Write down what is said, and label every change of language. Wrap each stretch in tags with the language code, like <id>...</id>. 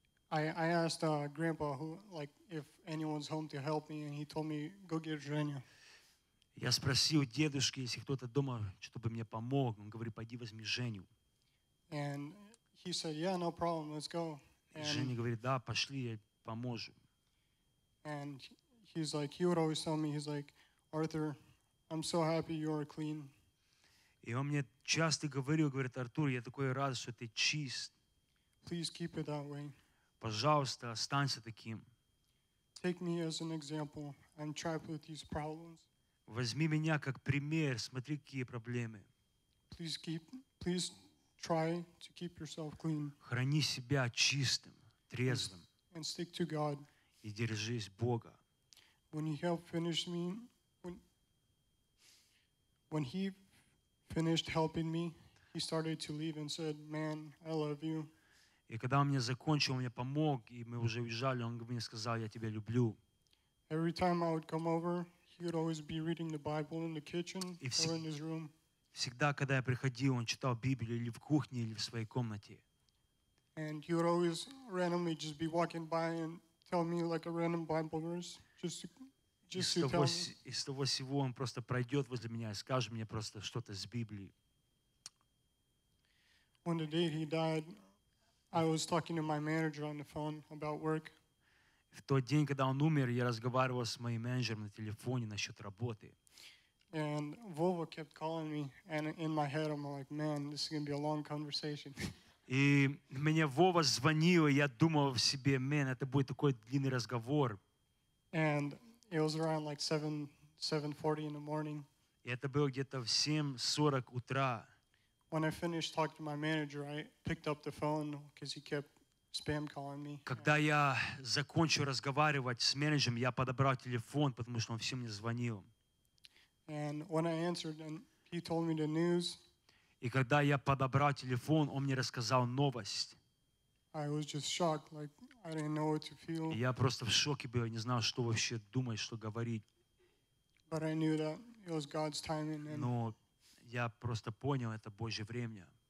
<en>I asked grandpa who like if anyone's home to help me, and he told me go get Женя.</en> <ru>Я спросил дедушки, если кто-то дома, чтобы мне помог. Он говорит, пойди возьми Женю.</ru> <en>And he said, yeah, no problem, let's go. And</en> <ru>Женя говорит, да, пошли, я поможу.</ru> <en>And he's like, he would always tell me, he's like, Arthur, I'm so happy you are clean.</en> <ru>И он мне часто говорил, говорит, Артур, я такой рад, что ты чист.</ru> <en>Please keep it that way.</en> <ru>Пожалуйста, останься таким.</ru> <en>Take me as an example. I'm trapped with these problems.</en> <ru>Возьми меня как пример, смотри, какие проблемы.</ru> <en>Please try to keep yourself clean.</en> <ru>Храни себя чистым, трезвым.</ru> <en>And stick to God.</en> <ru>И держись Бога.</ru> <en>When he finished helping me, he started to leave and said, "Man, I love you."</en> <ru>И когда он мне закончил, он мне помог, и мы уже уезжали, он мне сказал, "Я тебя люблю."</ru> <en>Every time I would come over, he would always be reading the Bible in the kitchen or in his room.</en> <ru>Всегда, когда я приходил, он читал Библию или в кухне, или в своей комнате.</ru> <en>And he would always randomly just be walking by and tell me like a random Bible verse.</en> <ru>Из того всего он просто пройдет возле меня и скажет мне просто что-то с Библии.</ru> <en>When the day he died, I was talking to my manager on the phone about work.</en> <ru>В тот день, когда он умер, я разговаривал с моим менеджером на телефоне насчет работы.</ru> <en>And Vova kept calling me, and in my head I'm like, man, this is gonna be a long conversation.</en> <ru>И мне Вова звонил, и я думал в себе, man, это будет такой длинный разговор.</ru> <en>And it was around like 7:40 in the morning.</en> <ru>И это было где-то в 7:40 утра.</ru> <en>When I finished talking to my manager, I picked up the phone because he kept spam calling me.</en> <ru>Когда я закончил разговаривать с менеджером, я подобрал телефон, потому что он всем мне звонил.</ru> <en>And when I answered, and he told me the news.</en> <ru>И когда я подобрал телефон, он мне рассказал новость.</ru> <en>I was just shocked, like I didn't know what to feel.</en> <ru>Я просто в шоке был, я не знал, что вообще думать, что говорить.</ru> <en>But I knew that it was God's timing.</en> <ru>Но я просто понял, это Божье время.</ru>